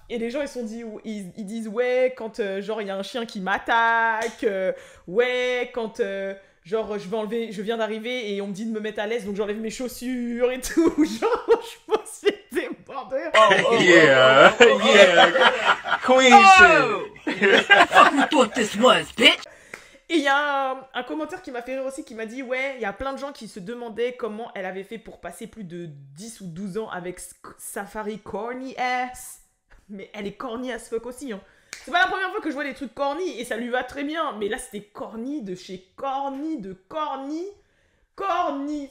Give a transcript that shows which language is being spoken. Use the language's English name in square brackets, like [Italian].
[French] Et les gens ils disent ouais, quand genre il y a un chien qui m'attaque, ouais, quand... genre, je viens d'arriver et on me dit de me mettre à l'aise, donc j'enlève mes chaussures et tout. Genre, je pense que c'était bordel. [English] Yeah. Queen shit. What the fuck you thought this was, bitch? [French] Et il y a un commentaire qui m'a fait rire aussi, qui m'a dit, ouais, il y a plein de gens qui se demandaient comment elle avait fait pour passer plus de 10 ou 12 ans avec Safari [English] corny ass. [French] Mais elle est [English] corny as fuck [French] aussi, hein. C'est pas la première fois que je vois des trucs corny et ça lui va très bien, mais là c'était corny de chez corny, de corny, corny.